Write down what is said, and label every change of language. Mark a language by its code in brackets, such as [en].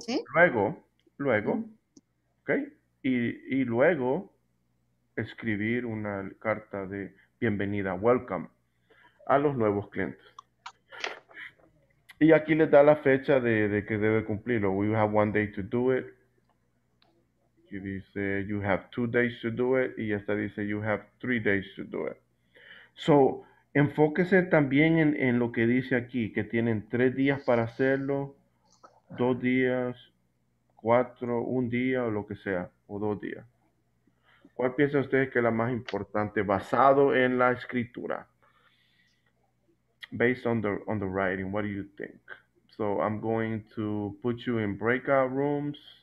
[es] ¿Sí? Luego. Luego. Ok. Y luego escribir una carta de bienvenida, welcome, a los nuevos clientes. Y aquí les da la fecha de que debe cumplirlo. [en] We have 1 day to do it. [es] Y dice, [en] you have 2 days to do it. [es] Y esta dice, [en] you have 3 days to do it. [es] So, enfóquese también en lo que dice aquí, que tienen 3 días para hacerlo, 2 días, 4, 1 día o lo que sea, o 2 días. ¿Cuál piensa usted que es la más importante basado en la escritura? [en] Based on the writing, what do you think? So I'm going to put you in breakout rooms.